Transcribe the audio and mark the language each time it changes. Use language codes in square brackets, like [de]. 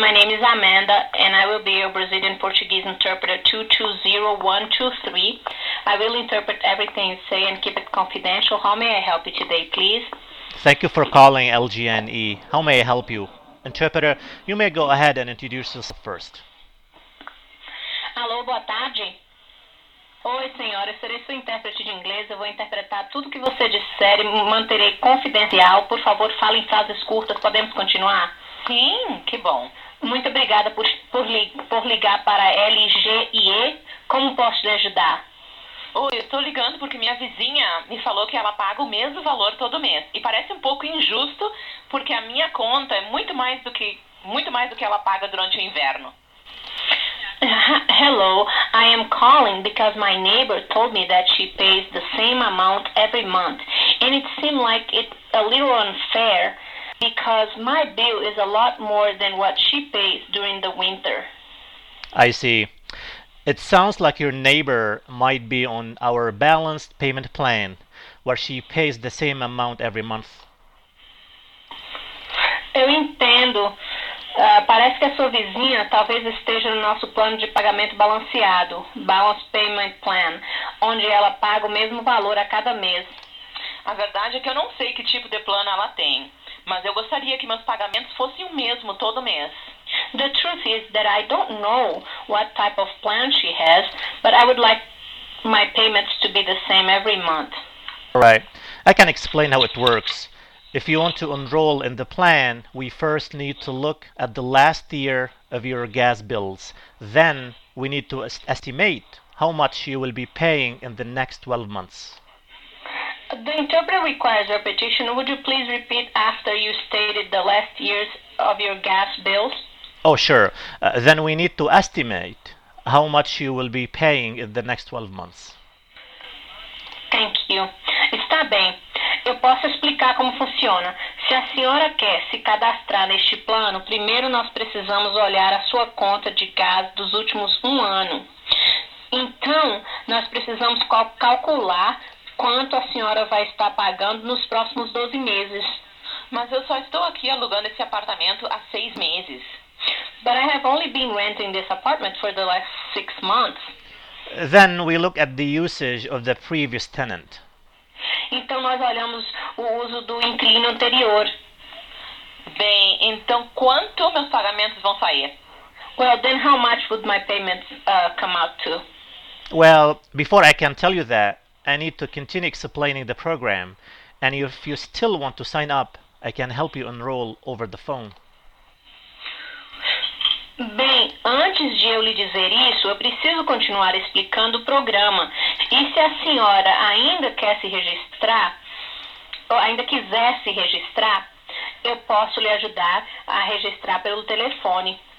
[en] My name is Amanda, and I will be your Brazilian Portuguese interpreter 220123. I will interpret everything you say and keep it confidential. How may I help you today, please? Thank you for calling LGNE. How may I help you? Interpreter, you may go ahead and introduce yourself first. [pt] Alô, boa tarde. Oi, senhora, eu serei sua intérprete de inglês. Eu vou interpretar tudo que você disser e manterei confidencial. Por favor, fale em frases curtas. Podemos continuar? Sim, que bom. Muito obrigada por ligar para LGIE. Como posso lhe ajudar? Oi, eu estou ligando porque minha vizinha me falou que ela paga o mesmo valor todo mês. E parece um pouco injusto porque a minha conta é muito mais do que ela paga durante o inverno. [en] Hello, I am calling because my neighbor told me that she pays the same amount every month. And it seemed like it's a little unfair because my bill is a lot more than what she pays during the winter. I see. It sounds like your neighbor might be on our balanced payment plan, where she pays the same amount every month. [pt] Eu entendo. Parece que a sua vizinha talvez esteja no nosso plano de pagamento balanceado, [en] balanced payment plan, [pt] onde ela paga o mesmo valor a cada mês. A verdade é que eu não sei que tipo de plano ela tem, mas eu gostaria que meus pagamentos fossem o mesmo todo mês. [en] The truth is that I don't know what type of plan she has, but I would like my payments to be the same every month. All right. I can explain how it works. If you want to enroll in the plan, we first need to look at the last year of your gas bills. Then we need to estimate how much you will be paying in the next 12 months. The interpreter requires repetition. Would you please repeat after you stated the last years of your gas bills? Oh, sure. Then we need to estimate how much you will be paying in the next 12 months. Thank you. [pt] Está bem. Eu posso explicar como funciona. Se a senhora quer se cadastrar neste plano, primeiro nós precisamos olhar a sua conta de gás dos últimos um ano. Então, nós precisamos calcular quanto a senhora vai estar pagando nos próximos 12 meses. Mas eu só estou aqui alugando esse apartamento há 6 meses. [en] But I have only been renting this apartment for the last 6 months. Then we look at the usage of the previous tenant. [pt] Então nós olhamos o uso do inquilino anterior. Bem, então quanto meus pagamentos vão sair? [en] Well, then how much would my payments come out to? Well, before I can tell you that, I need to continue explaining the program. And if you still want to sign up, I can help you enroll over the phone. [pt] Bem, antes de eu lhe dizer isso, eu preciso continuar explicando o programa. E se a senhora ainda quer se registrar, ou ainda quiser se registrar, eu posso lhe ajudar a registrar pelo telefone.